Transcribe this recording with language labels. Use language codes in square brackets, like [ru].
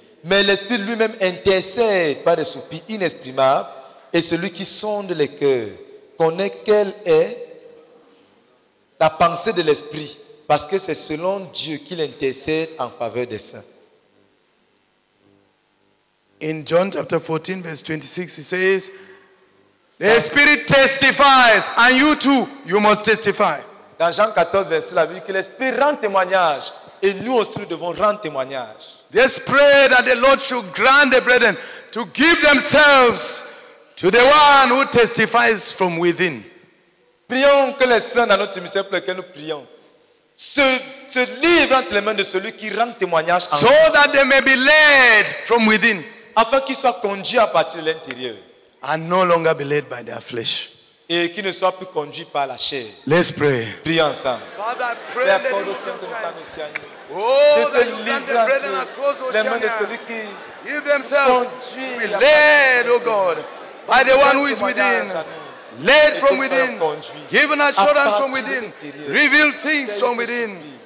[fr] Mais l'Esprit lui-même intercède par des soupirs inexprimables, et celui qui sonde les cœurs connaît quelle est la pensée de l'Esprit, parce que c'est selon Dieu qu'il intercède en faveur des saints. [en] In John chapter 14, verse 26, he says, the Spirit testifies, and you too, you must testify. [fr] Dans Jean 14, verset 6, la Bible dit que l'Esprit rend témoignage, et nous aussi nous devons rendre témoignage. [en] Let's pray that the Lord should grant the brethren to give themselves to the one who testifies from within. [fr] Prions que les saints dans notre ministère pour lequel nous prions se livrent entre les mains de celui qui rend témoignage. [en] So that they may be led from within. [fr] Afin qu'ils soient conduits à partir de l'intérieur. [en] And no longer be led by their flesh. [fr] Et qui ne soit plus conduit par la chair. [en] Let's pray. [fr] Prions ensemble. [en] Father, pray that you will be blessed. Oh, that you grant the brethren across Oceania. Give themselves to be led, oh God, by the one who is within. Led from within. Given assurance from within. Revealed things from within.